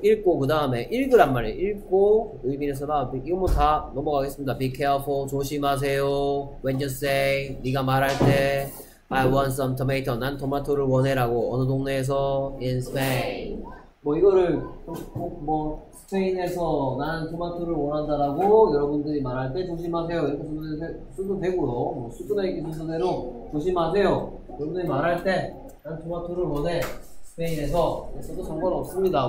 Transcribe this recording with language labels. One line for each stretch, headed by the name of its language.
Korean: 읽고 그 다음에 읽으란 말이에요. 읽고 의미를 써라. 이거 뭐 다 넘어가겠습니다.
English: Be careful.
Korean: 조심하세요.
English: When you say,
Korean: 네가 말할 때
English: I want some tomato.
Korean: 난 토마토를 원해라고. 어느 동네에서?
English: In Spain.
Korean: 뭐 이거를 뭐 스페인에서 나는 토마토를 원한다라고 여러분들이 말할 때 조심하세요 이렇게 쓰도 되고요. 뭐 수준의 순서대로 조심하세요. 여러분들이 말할 때 나는 토마토를 원해 스페인에서 써도 상관없습니다.